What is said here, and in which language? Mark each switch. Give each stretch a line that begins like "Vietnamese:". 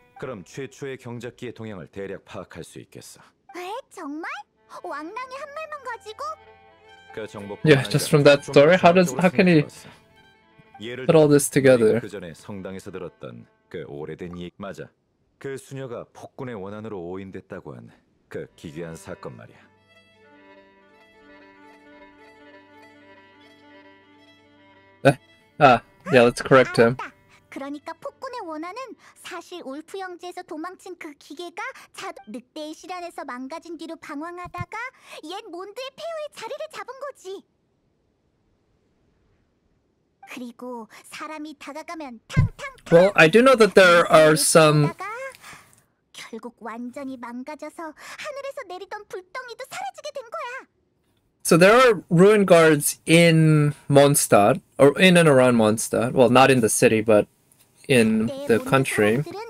Korean: 그럼 최초의 경작기의 동향을 대략 파악할 수 있겠어. 왜 정말? 왕랑이 한 말만 가지고? 그 정보.
English: Yeah, just from that story, how can he put all this together?
Korean: 그 전에 성당에서 들었던 그 오래된 얘기 맞아. 그 수녀가 폭군의 원한으로 오인됐다고 한 그 기괴한 사건 말이야.
English: 아, yeah, let's correct him.
Korean: 그러니까 폭군의 원한은 사실 울프 영지에서 도망친 그 기계가 늑대의 시련에서 망가진 뒤로 방황하다가 옛 몬드의 폐허의 자리를 잡은 거지. 그리고 사람이 다가가면 탕탕탕.
English: Well, I do know that there are some
Korean: 결국 완전히 망가져서 하늘에서 내리던 불덩이도 사라지게 된 거야.
English: So there are ruin guards in Mondstadt, or in and around Mondstadt. Well, not in the city, but in the country.